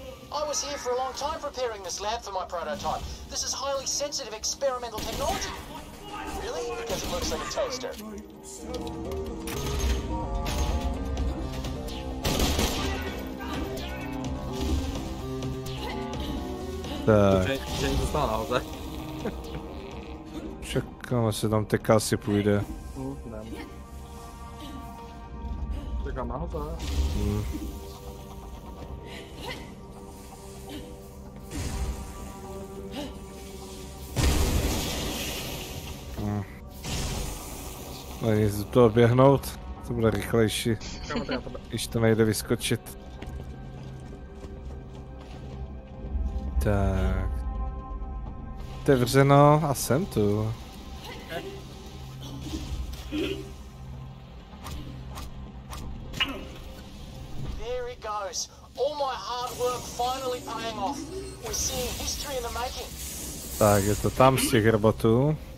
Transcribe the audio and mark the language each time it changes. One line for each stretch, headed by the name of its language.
English: I was here for a long time preparing this lab for my prototype. This is highly sensitive experimental technology. Really? Because it looks like a toaster.
Czech: Tak. Čekám, asi tam ty kasy půjde. Čekám nahoře. Hmm. Ale nic, do toho běhnout, to bude rychlejší, když to nejde vyskočit. Tak. Otevřeno a jsem tu.
English: There he goes. All my hard work finally paying off. We're seeing history in the making.
Czech: Tak, je to tam z těch robotů.